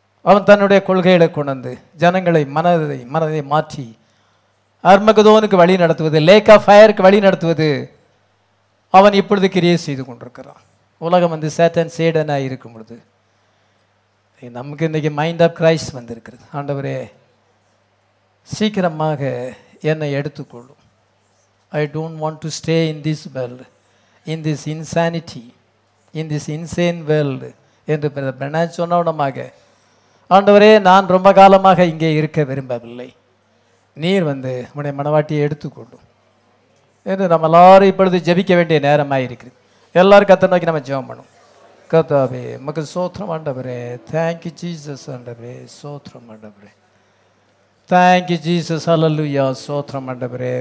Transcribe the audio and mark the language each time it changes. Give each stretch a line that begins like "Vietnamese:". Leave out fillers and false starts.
Tamil: அவன் தன்னுடைய கொள்கைகளை கொண்டு ஜனங்களை மனதை மாற்றி அர்மகதோனுக்கு வழி நடத்துவது, லேக் ஆஃப் ஃபயருக்கு வழி நடத்துவது அவன் இப்பொழுது கிரியேட் செய்து கொண்டிருக்கிறான். உலகம் வந்து சேட்டன் சேடனாக இருக்கும் பொழுது நமக்கு இன்னைக்கு மைண்ட் ஆஃப் கிரைஸ்ட் வந்திருக்கிறது. ஆண்டவரே, சீக்கிரமாக என்னை எடுத்துக்கொள்ளும்.
English: I don't want to stay in this world, in this insanity, in this insane world.
Tamil: என்று பிரதர் பிரனான் சொன்னவனமாக, ஆண்டவரே நான் ரொம்ப காலமாக இங்கே இருக்க விரும்பவில்லை, நீர் வந்து உன்னுடைய மனவாட்டியை எடுத்துக்கொள்ளும் என்று நம்ம எல்லாரும் இப்பொழுது ஜபிக்க வேண்டிய நேரமாயிருக்கு. எல்லாரும் கர்த்தரை நோக்கி நம்ம ஜெபம் பண்ணும். கர்த்தாவே, நமக்கு சோத்திரம் ஆண்டவரே.
English: thank you Jesus
Tamil: ஆண்டவரே. சோத்திரம் ஆண்டவரே. Thank you Jesus. ஹல்லேலூயா. சோத்திரம் ஆண்டவரே.